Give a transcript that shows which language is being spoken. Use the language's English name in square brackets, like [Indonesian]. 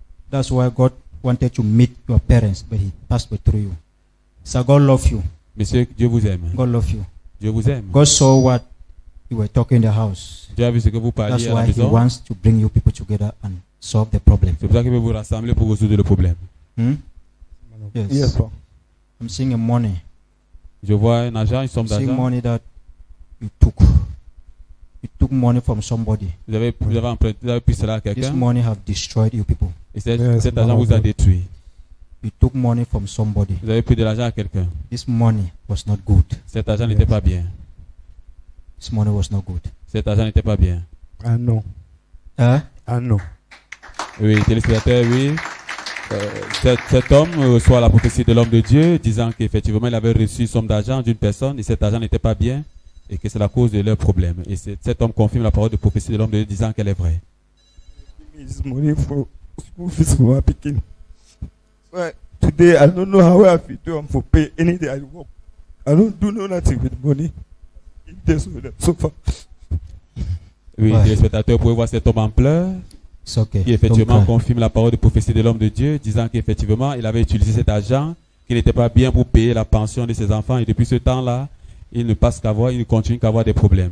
[English] That's why God wanted to meet your parents, but He passed through you. So God love you. [French] Monsieur, Dieu vous aime. [English] God love you. [French] Dieu vous aime. [English] God saw what you were talking in the house. [French] Dieu a vu ce que vous parliez à la [English] That's why He wants to bring you people together and solve the problem. [French] C'est pour ça qu'il veut vous rassembler pour résoudre le problème. [English] Yes. I'm seeing a money. [French] Je vois un argent, une somme d'argent. [English] Seeing money that you took. You took money from somebody. [French] Vous avez pris cela à quelqu'un. [English] This money have destroyed you people. [French] Et cet argent vous a détruit. [English] You took money from somebody. [French] Vous avez pris de l'argent à quelqu'un. [English] This money was not good. [French] Cet argent n'était pas bien. [English] This money was not good. [French] Cet argent n'était pas bien. Ah non. Hein? Ah non. Oui, téléspectateur, oui. Cet homme reçoit la prophétie de l'homme de Dieu, disant qu'effectivement il avait reçu une somme d'argent d'une personne et cet argent n'était pas bien et que c'est la cause de leur problème. Et cet homme confirme la parole de prophétie de l'homme de Dieu, disant qu'elle est vraie. [English] This money for [French] fils m'a piqué. [English] Well, today I don't know how I feel to him for pay anything I work. I don't do nothing with money. It is with them so far. [French] Oui, les spectateurs pouvaient voir cet homme en pleurs. [English] It's okay. [French] Qui effectivement confirme la parole de prophétie de l'homme de Dieu, disant qu'effectivement il avait utilisé cet argent qui n'était pas bien pour payer la pension de ses enfants. Et depuis ce temps-là, il ne passe qu'à voir, il ne continue qu'à avoir des problèmes.